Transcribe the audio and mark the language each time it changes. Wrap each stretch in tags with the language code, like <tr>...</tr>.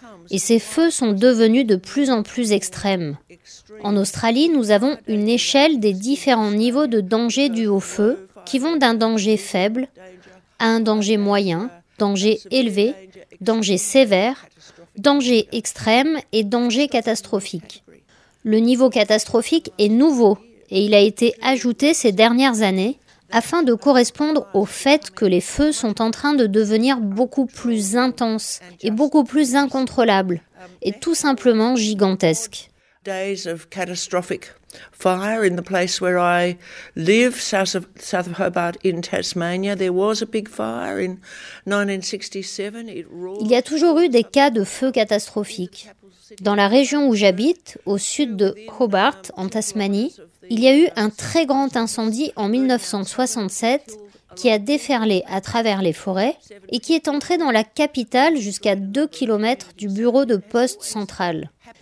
<fr>Et ces feux sont devenus de plus en plus extrêmes. En Australie, nous avons une échelle des différents niveaux de danger dus au feu qui vont d'un danger faible à un danger moyen, danger élevé, danger sévère, danger extrême et danger catastrophique. Le niveau catastrophique est nouveau et il a été ajouté ces dernières années afin de correspondre au fait que les feux sont en train de devenir beaucoup plus intenses et beaucoup plus incontrôlables et tout simplement gigantesques.</fr> <en>Days of catastrophic fire in the place where I live, south of Hobart in Tasmania. There was a big fire in 1967. It roared.</en> <fr>Il y a toujours eu des cas de feux catastrophiques. Dans la région où j'habite, au sud de Hobart, en Tasmanie, il y a eu un très grand incendie en 1967 qui a déferlé à travers les forêts et qui est entré dans la capitale jusqu'à 2 km du bureau de poste central.</fr>